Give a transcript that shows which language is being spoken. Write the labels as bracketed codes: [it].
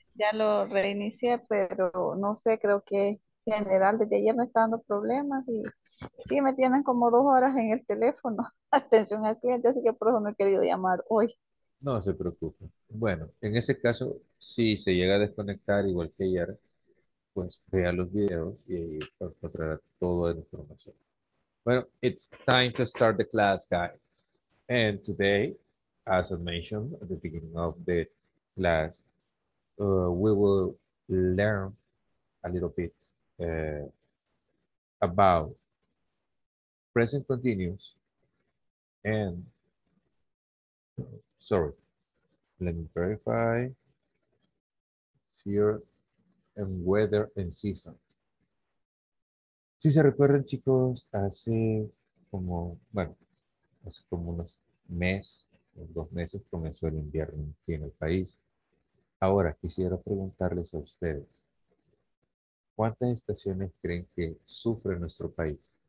[es] Ya lo reinicié, pero no sé, creo que en general desde ayer me está dando problemas y sí, me tienen como 2 horas en el teléfono, atención al cliente, así que por eso no he querido llamar hoy. No se preocupe. Bueno, en ese caso, si se llega a desconectar igual que ayer, pues vea los videos y encontrará toda la información. [en] Bueno, it's time to start the class, guys. And today, as I mentioned at the beginning of the class, we will learn a little bit about present continuous and sorry, let me verify here. En weather and season. [es] Si se recuerdan, chicos, hace como, bueno, hace como unos mes o 2 meses comenzó el invierno aquí en el país. Ahora quisiera preguntarles a ustedes, ¿cuántas estaciones creen que sufre nuestro país?